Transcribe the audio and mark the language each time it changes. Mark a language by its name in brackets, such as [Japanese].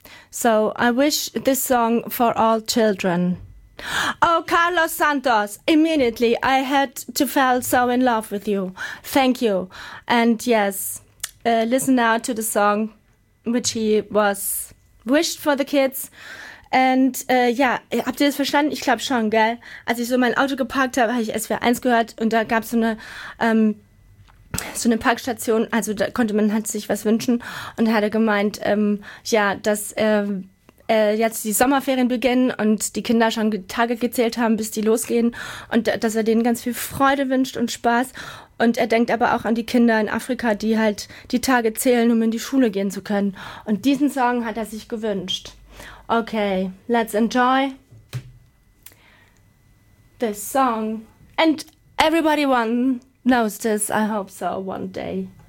[English] So I wish this song for all children. Oh, Carlos Santos, immediately I had to fall so in love with you. Thank you. And yes, listen now to the song which he was wished for the kids. [German] And ja, habt ihr das verstanden? Ich glaube schon, gell? Als ich so mein Auto geparkt habe, habe ich SWR1 gehört und da gab es so eine Parkstation, also da konnte man halt sich was wünschen und hatte gemeint, jetzt die Sommerferien beginnen und die Kinder schon Tage gezählt haben, bis die losgehen und dass er denen ganz viel Freude wünscht und Spaß und er denkt aber auch an die Kinder in Afrika, die halt die Tage zählen, um in die Schule gehen zu können und diesen Song hat er sich gewünscht. [English] Okay, let's enjoy this song and everybody one knows this, I hope so, one day.